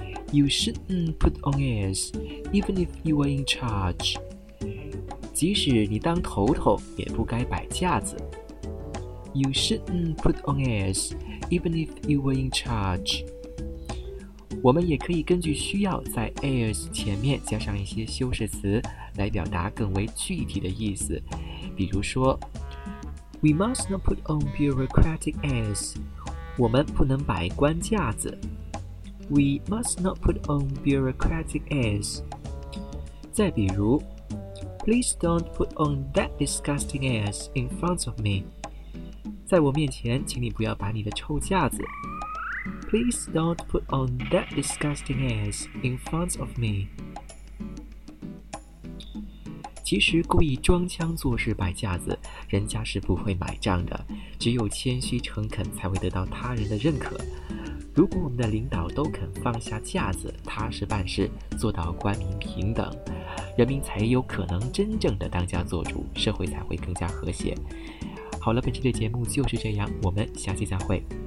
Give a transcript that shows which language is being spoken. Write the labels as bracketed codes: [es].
[en] You shouldn't put on airs, even if you are in charge. [zh] 即使你当头头，也不该摆架子。 [en] You shouldn't put on airs, even if you were in charge. [zh] 我们也可以根据需要在 airs 前面加上一些修饰词来表达更为具体的意思。比如说 [en] We must not put on bureaucratic airs. [zh] 我们不能摆官架子。 [en] We must not put on bureaucratic airs. [zh] 再比如 [en] Please don't put on that disgusting airs in front of me. [zh] 在我面前请你不要摆你的臭架子。 [en] Please don't put on that disgusting airs in front of me. [zh] 其实故意装腔作势摆架子，人家是不会买账的，只有谦虚诚恳才会得到他人的认可。如果我们的领导都肯放下架子，踏实办事，做到官民平等，人民才有可能真正的当家作主，社会才会更加和谐。好了，本期的节目就是这样，我们下期再会。